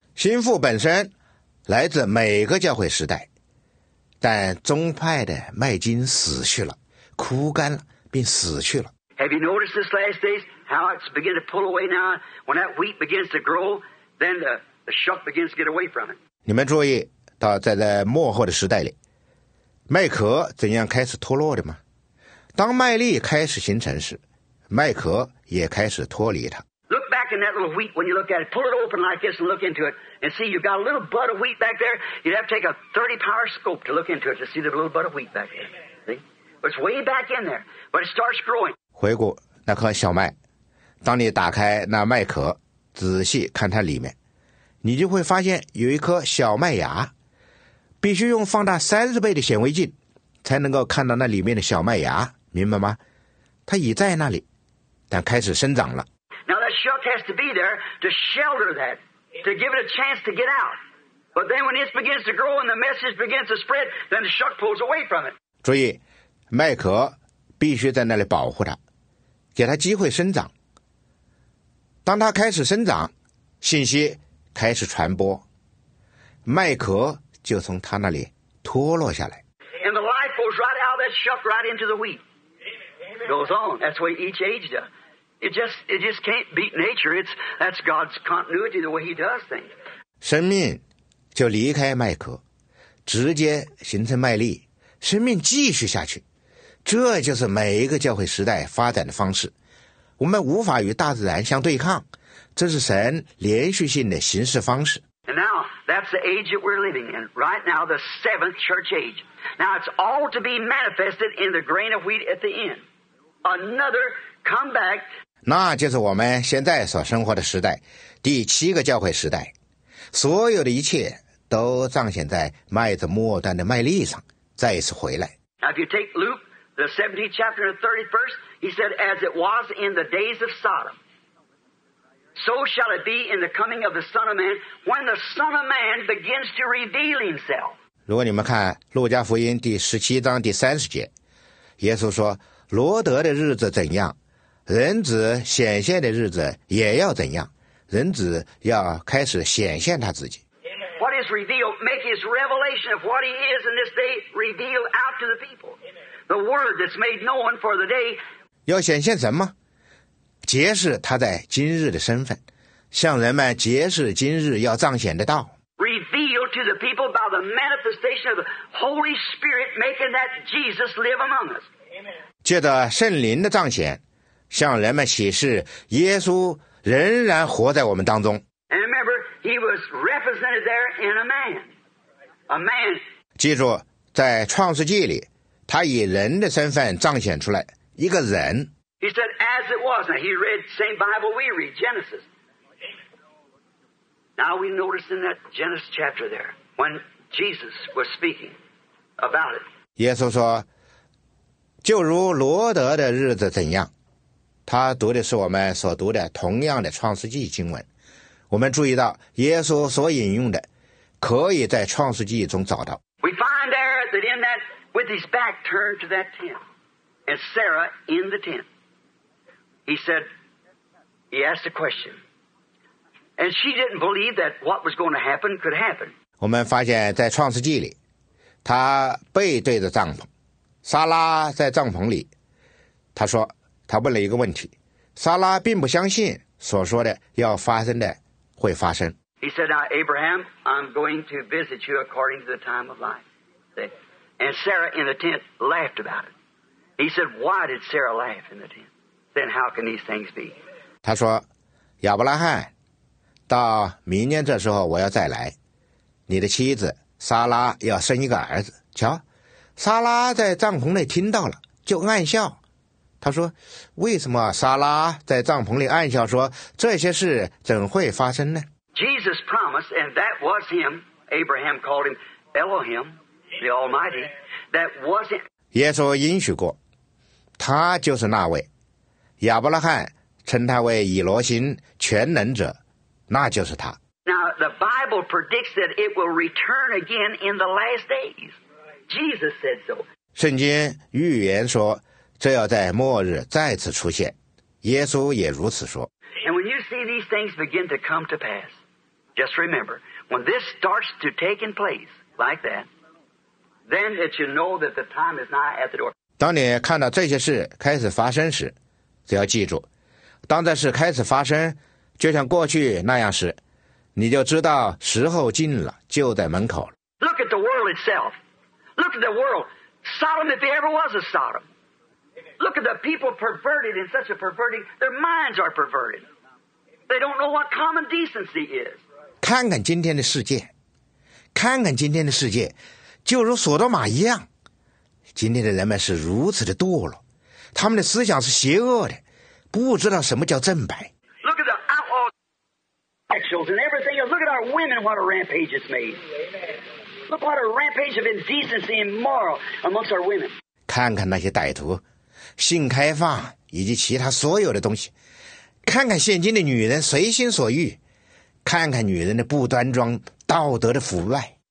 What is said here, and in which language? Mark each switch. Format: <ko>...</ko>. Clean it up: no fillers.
<zh>心腹本身来自每个教会时代，但宗派的麦茎死去了，枯干了，并死去了。</zh> <en>Have you noticed this last days how it's begin to pull away now? When that wheat begins to grow, then the shuck begins to get away from it.</en> <zh>你们注意到在末后的时代里，麦壳怎样开始脱落的吗？当麦粒开始形成时，麦壳也开始脱离它。</zh> <en>Look back in that little wheat when you look at it. Pull it open like this and look into it, and see you've got a little bud of wheat back there. You'd have to take a 30-power scope to look into it to see the little bud of wheat back there. See, but it's way back in there, but it starts growing.</en> <zh>回顾那颗小麦，当你打开那麦壳，仔细看它里面，你就会发现有一颗小麦芽。必须用放大30倍的显微镜。才能够看到那里面的小麦芽，明白吗？它已在那里，但开始生长了。</zh> <en>Now that shuck has to be there to shelter that, to give it a chance to get out. But then when it begins to grow and the message begins to spread, then the shuck pulls away from it.</en> <zh>注意，麦壳必须在那里保护它，给他机会生长。当他开始生长，信息开始传播，麦壳就从他那里脱落下来。</zh> <en>And the life goes right out of that shuck right into the wheat. Goes on. That's the way each age does. It just can't beat nature. That's God's continuity, the way he does things.</en> <zh>生命就离开麦壳，直接形成麦粒，生命继续下去。这就是每一个教会时代发展的方式。我们无法与大自然相对抗，这是神连续性的行事方式。</zh> <en>And now, that's the age that we're living in. Right now, the seventh church age. Now, it's all to be manifested in the grain of wheat at the end. Another comeback.</en> <zh>那就是我们现在所生活的时代，第七个教会时代。所有的一切都彰显在麦子末端的麦粒上，再一次回来。</zh> <en>Now, if you take Luke, the 17th chapter and the 31st, he said, as it was in the days of Sodom. So shall it be in the coming of the Son of Man, when the Son of Man begins to reveal himself.</en> <zh>如果你们看《路加福音》第十七章第三十节，耶稣说：“罗德的日子怎样，人子显现的日子也要怎样。人子要开始显现他自己。”</zh> <en>What is revealed, make his revelation of what he is in this day revealed out to the people. The word that's made known for the day.</en> <zh>要显现什么？揭示他在今日的身份，向人们揭示今日要彰显的道。</zh> <en>Revealed to the people by the manifestation of the Holy Spirit making that Jesus live among us.</en> <zh>借着圣灵的彰显，向人们启示耶稣仍然活在我们当中。</zh> <en>And remember, he was represented there in a man. A man.</en> <zh>记住，在创世纪里，他以人的身份彰显出来，一个人。</zh> <en>He said, as it was. Now, he read the same Bible we read, Genesis. Now, we notice in that Genesis chapter there, when Jesus was speaking about it.</en> <zh>耶稣说，就如罗德的日子怎样。他读的是我们所读的同样的创世纪经文。我们注意到耶稣所引用的可以在创世纪中找到。</zh> <en>We find there that in that, with his back turned to that tent, and Sarah in the tent,He said, he asked a question. And she didn't believe that what was going to happen could happen.</en> <zh>我们发现在创世纪里，她背对着帐篷，莎拉在帐篷里。她说，她问了一个问题，莎拉并不相信所说的要发生的会发生。</zh> <en>He said, now, Abraham, I'm going to visit you according to the time of life. And Sarah in the tent laughed about it. He said, why did Sarah laugh in the tent? Then how can these things be?</en> <zh>他说，亚伯拉罕，到明年这时候我要再来，你的妻子莎拉要生一个儿子。瞧，莎拉在帐篷内听到了，就暗笑。他说，为什么莎拉在帐篷里暗笑说，这些事怎会发生呢？</zh> <en>Jesus promised, and that was him, Abraham called him Elohim, the Almighty, that was him.</en> <zh>耶稣应许过，他就是那位。亚伯拉罕称他为以罗辛全能者，那就是他。</zh> <en>Now, the Bible predicts that it will return again in the last days. Jesus said so.</en> <zh>圣经预言说，这要在末日再次出现。耶稣也如此说。</zh> <en>And when you see these things begin to come to pass, just remember, when this starts to take in place like that, then it should know that the time is not at the door.</en> <zh>当你看到这些事开始发生时，只要记住，当这事开始发生，就像过去那样时，你就知道时候近了，就在门口了。</zh> <en>Look at the world itself. Look at the world. Sodom, if there ever was a Sodom. Look at the people perverted in such a perverting. Their minds are perverted. They don't know what common decency is.</en> <zh>看看今天的世界，看看今天的世界，就如索多玛一样，今天的人们是如此的堕落。他们的思想是邪恶的，不知道什么叫正白。</zh> <en>Look at the outlaws, sexuals, and everything else. Look at our women, what a rampage it's made. Look what a rampage of indecency and moral amongst our women.</en> <zh>看看那些歹徒，性开放以及其他所有的东西。看看现今的女人随心所欲，看看女人的不端庄、道德的腐败。</zh>